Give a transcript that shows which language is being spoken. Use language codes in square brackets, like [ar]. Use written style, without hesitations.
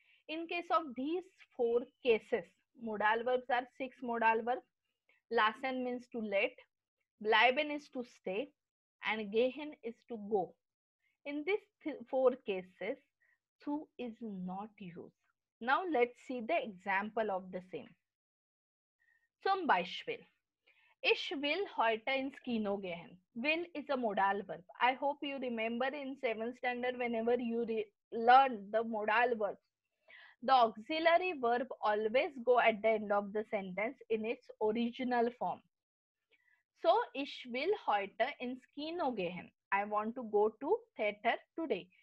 [en] In case of these four cases, modal verbs are six modal verbs. Lassen means to let, bleiben is to stay, and gehen is to go. In these four cases, zu is not used. Now let's see the example of the same. [de] Zum Beispiel, ich will heute ins Kino gehen. [en] Will is a modal verb. I hope you remember in 7th standard whenever you learn the modal verbs. The auxiliary verb always go at the end of the sentence in its original form. So, [de] ich will heute ins Kino gehen. [en] I want to go to theater today.